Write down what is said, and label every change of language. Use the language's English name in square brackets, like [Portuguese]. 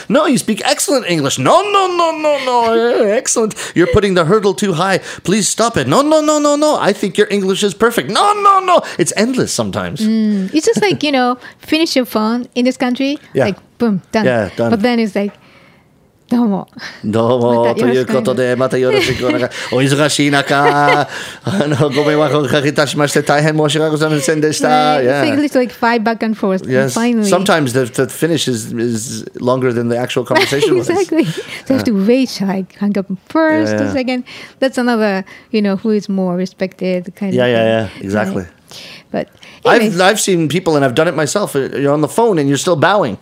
[English] No, you speak excellent English. No. Excellent. You're putting the hurdle too high. Please stop it. No. I think your English is perfect. No. It's endless sometimes. It's just like, you know, finish your phone in this country. Yeah. Like, boom, done. Yeah, done. But then it's like, [Japanese] どうも。ということで、またよろしくお願い。お忙しい中、ご迷惑をおかけいたしまして、大変申し訳ございませんでした。 [English] Right. Yeah. It's like, five back and forth. Yes. And finally. Sometimes the finish is longer than the actual conversation exactly. was. Exactly. They have to wait, like, hang up first, a second. That's another, you know, who is more respected kind yeah, of yeah, yeah, exactly. But I've seen people, and I've done it myself, you're on the phone and you're still bowing.